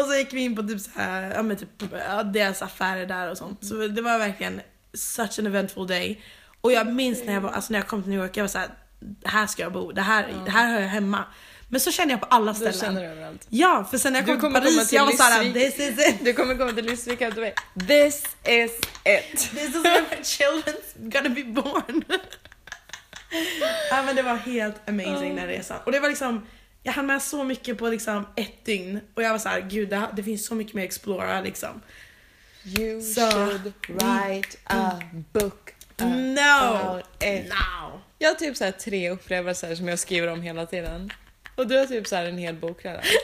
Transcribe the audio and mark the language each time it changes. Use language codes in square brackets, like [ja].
[sv] och så gick vi in på typ så här, ja men typ deras affärer där och sånt. Mm. Så det var verkligen such an eventful day. Och jag minns när jag var, alltså när jag kom till New York, jag var så här, här ska jag bo. Det här hör jag hemma. Men så känner jag på alla ställen. Du känner överallt. Ja, för sen när jag kom till Paris, till jag var såhär, this is it. Du kommer komma till Lysvik och säga, this is it. [en] This is where my children's gonna be born. [sv] Ja, men det var helt amazing den resan. Och det var liksom, jag hann med så mycket på liksom ett dygn. Och jag var så här, gud, det finns så mycket mer att explora liksom. [en] You så. Should write a book. No. No. [sv] Jag har typ så här tre upplevelser som jag skriver om hela tiden. Och du har typ så här en hel bok redan.